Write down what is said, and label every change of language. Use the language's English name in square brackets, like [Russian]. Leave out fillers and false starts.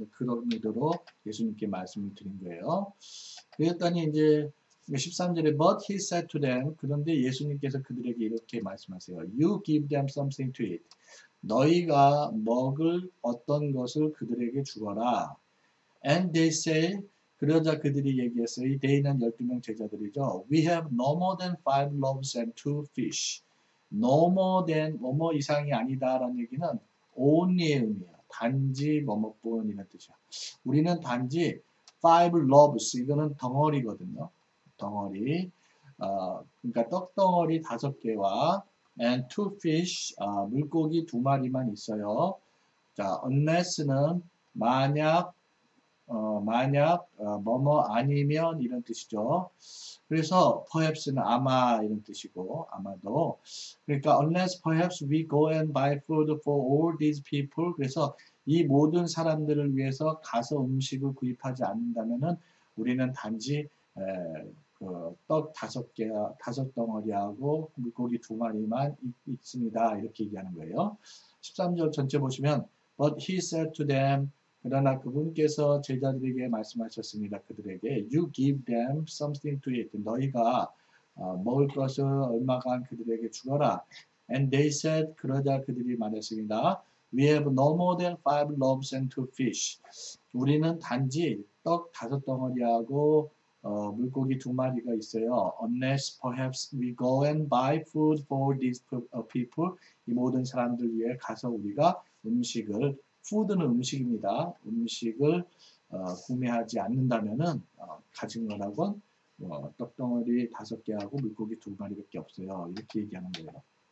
[Korean] 그런 의도로 예수님께 말씀을 드린 거예요. 그랬더니 이제 13절에 [English] But he said to them, [Korean] 그런데 예수님께서 그들에게 이렇게 말씀하세요. [English] You give them something to eat. [Korean] 너희가 먹을 어떤 것을 그들에게 주어라. [English] And they say, [Korean] 그러자 그들이 얘기했어요. 이 they는 12명 제자들이죠. [English] We have no more than 5 loaves and 2 fish. No more than, [Korean] 뭐뭐 이상이 아니다라는 얘기는 only의 의미야. 단지 뭐뭐뿐이라는 뜻이야. 우리는 단지 [English] 5 loaves, [Korean] 이거는 덩어리거든요. 덩어리, 그러니까 떡덩어리 5개와 [English] and 2 fish, [Korean] 물고기 2마리만 있어요. 자, unless는 만약, 뭐뭐 아니면 이런 뜻이죠. 그래서 perhaps는 아마 이런 뜻이고, 아마도. 그러니까 [English] unless perhaps we go and buy food for all these people. [Korean] 그래서 이 모든 사람들을 위해서 가서 음식을 구입하지 않는다면은 우리는 단지 떡 5덩어리하고 물고기 2마리만 있습니다. 이렇게 얘기하는 거예요. 13절 전체 보시면 [English] But he said to them, [Korean] 그러나 그분께서 제자들에게 말씀하셨습니다. 그들에게, [English] You give them something to eat. [Korean] 너희가 먹을 것을 얼마간 그들에게 주어라. [English] And they said, [Korean] 그러자 그들이 말했습니다. [English] We have no more than five loaves and two fish. [Korean] 우리는 단지 떡 다섯 덩어리하고 물고기 두 마리가 있어요. [English] Unless perhaps we go and buy food for these people. [Korean] 이 모든 사람들 위해 가서 우리가 음식을, food는 음식입니다. 음식을 구매하지 않는다면은 가진 거라곤 떡 덩어리 다섯 개하고 물고기 두 마리밖에 없어요. 이렇게 얘기하는 거예요.